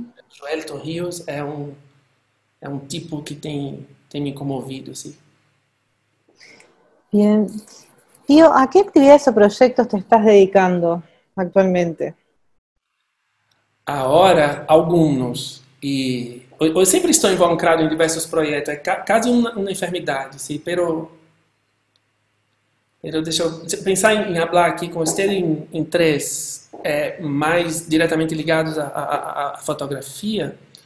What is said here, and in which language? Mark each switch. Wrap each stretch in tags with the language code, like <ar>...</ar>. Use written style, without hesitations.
<pt>Joelton Rios é um tipo que tem me comovido, sim. Bien.</pt> <es>Tío, ¿a qué actividades o proyectos te estás dedicando actualmente?</es> <pt>Agora, alguns, e eu sempre estou involucrado em diversos projetos, é quase uma enfermidade, sim, pero deixa eu pensar em falar aqui com você em três, mais diretamente ligados à fotografia.</pt>